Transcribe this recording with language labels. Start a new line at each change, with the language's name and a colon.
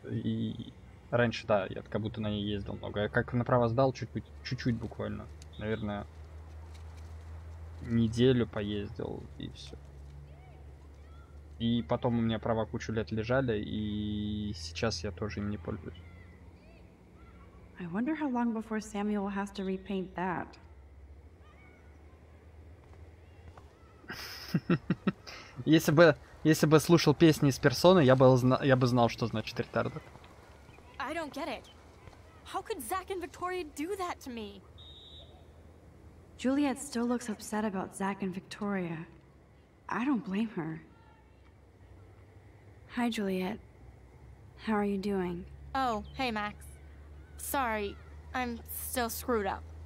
Russian: И раньше, да, я как будто на ней ездил много. Я как направо сдал чуть-чуть буквально. Наверное... неделю поездил и все. И потом у меня права кучу лет лежали, и сейчас я тоже им не пользуюсь.
English: I wonder how long before Samuel has to repaint that.
Russian: Если бы Если бы слушал песни из Персоны, я бы знал, что значит ретардер.
English: I don't get it. How could Zack and Victoria do that to me? Juliet still looks upset about Zack and Victoria. I don't blame her. Hi, Juliet. How are you doing? Oh, hey, Max. Sorry, I'm still screwed up.